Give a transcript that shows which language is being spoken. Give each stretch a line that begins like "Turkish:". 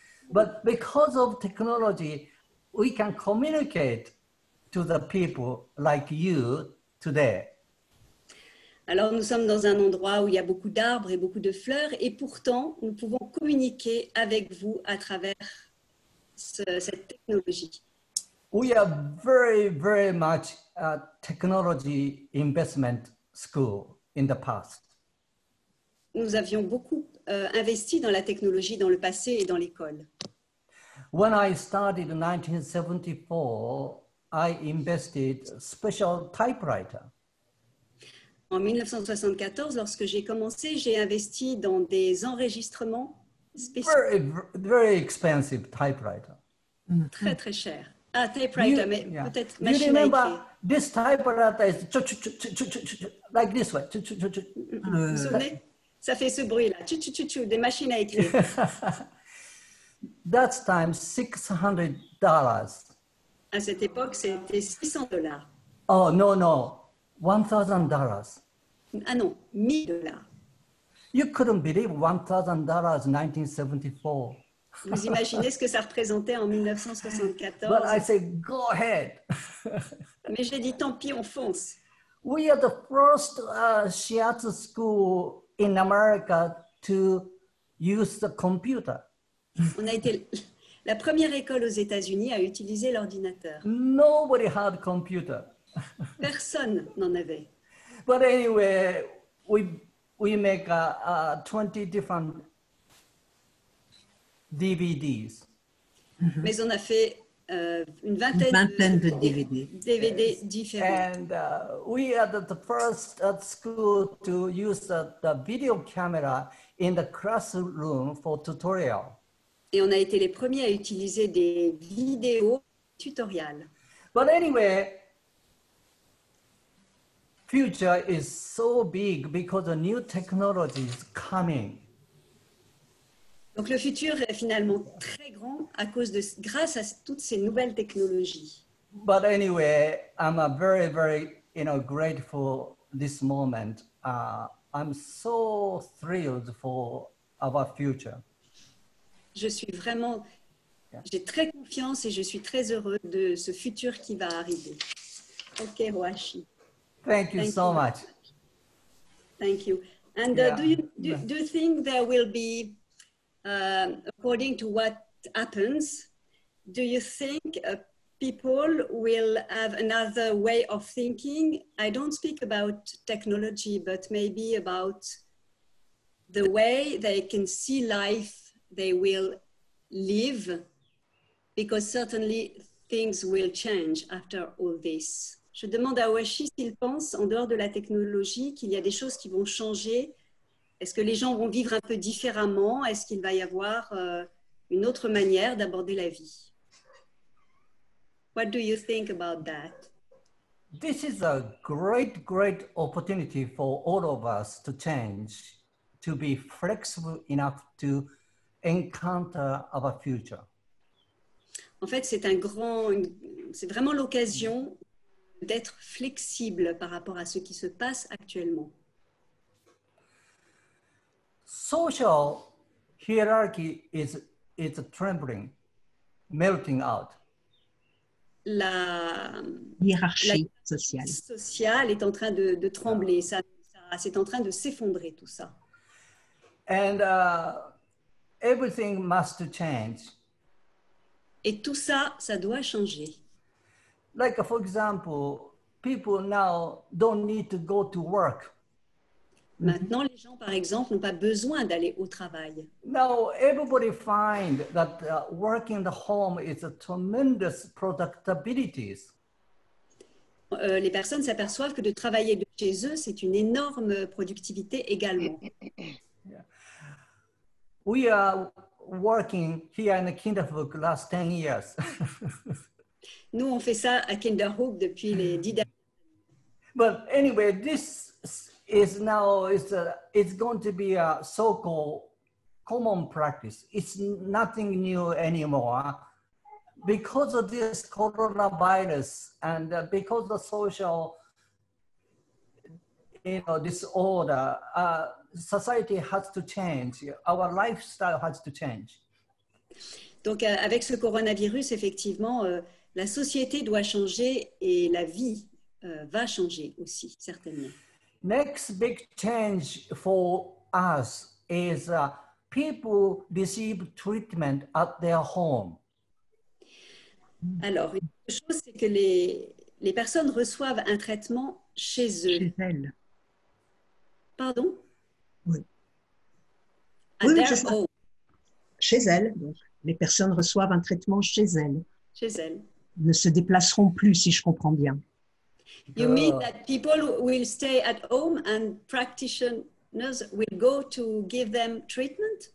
English: But because of technology, we can communicate to the people like you today.
French: Alors nous sommes dans un endroit où il y a beaucoup d'arbres et beaucoup de fleurs et pourtant nous pouvons communiquer avec vous à travers cette technologie.
English: We are very, very much a technology investment school in the past.
French: Nous avions beaucoup investi dans la technologie dans le passé et dans l'école.
English: When I started in 1974, I invested special typewriter.
French: En 1974, lorsque j'ai commencé, j'ai investi dans des enregistrements spéciaux.
English: Very, very expensive typewriter.
French: Mm-hmm. Très, très cher. Ah, typewriter, mais yeah. Peut-être machine.
English: You remember, this typewriter is like this way.
French: Vous souvenez? Ça fait ce bruit-là. Des machines à écrire.
English: That time, $600.
French: À cette époque, c'était $600.
English: Oh, no, no. $1,000.
French: Ah non, $1,000.
English: You couldn't believe $1,000 in 1974.
French: Vous imaginez ce que ça représentait en 1974.
English: But I said, go ahead.
French: Mais j'ai dit, tant pis, on fonce.
English: We are the first Shiatsu school in America to use the computer.
French: On a été la première école aux États-Unis à utiliser l'ordinateur.
English: Nobody had a computer.
French: Personne n'en avait.
English: But anyway, we make 20 different DVDs.
French: Mais on a fait une vingtaine de DVD yes. Différents.
English: And we are the first at school to use the video camera in the classroom for tutorial.
French: Et on a été les premiers à utiliser des vidéos tutoriales.
English: But anyway, future is so big because the new technology is coming.
French: Donc le futur est finalement très grand à cause de, grâce à toutes ces nouvelles technologies.
English: But anyway, I'm a very, very, you know, grateful this moment. I'm so thrilled for our future.
French: Je suis vraiment, j'ai très confiance et je suis très heureux de ce futur qui va arriver.
English: Ok, Roachi. Thank you so much. Thank you. And do you think there will be, according to what happens, do you think people will have another way of thinking? I don't speak about technology, but maybe about the way they can see life they will live, because certainly things will change after all this.
French: Je demande à Washi s'il pense, en dehors de la technologie, qu'il y a des choses qui vont changer. Est-ce que les gens vont vivre un peu différemment? Est-ce qu'il va y avoir une autre manière d'aborder la vie?
English: What do you think about that? This is a great, great opportunity for all of us to change, to be flexible enough to encounter our future.
French: En fait, c'est un grand, c'est vraiment l'occasion d'être flexible par rapport à ce qui se passe actuellement.
English: Social hierarchy is trembling, melting out.
French: La hiérarchie sociale. Sociale est en train de trembler, ça c'est en train de s'effondrer tout ça.
English: And everything must change.
French: Et tout ça, ça doit changer.
English: Like for example, people now don't need to go to work.
French: Maintenant, les gens, par exemple, n'ont pas besoin d'aller au travail.
English: Now everybody find that working the home is a tremendous productivity.
French: Les personnes s'aperçoivent que de travailler de chez eux, c'est une énorme productivité également.
English: Yeah. We are working here in the Kinderhook last 10 years.
French: Nous, on fait ça à Kinderhook depuis les 10 dernières années.
English: But anyway, this is now it's going to be a so-called common practice. It's nothing new anymore. Because of this coronavirus and because of social, you know, disorder, society has to change. Our lifestyle has to change.
French: Donc avec ce coronavirus, effectivement, la société doit changer et la vie va changer aussi, certainement.
English: Next big change for us is people receive treatment at their home.
French: Alors, une chose, c'est que les personnes reçoivent un traitement chez eux. Chez elles. Pardon? Oui.
English: At their home.
French: Chez elles, donc. Les personnes reçoivent un traitement chez elles. Chez elles. Ne se déplaceront plus, si je comprends bien.
English: You mean that people will stay at home and practitioners will go to give them treatment?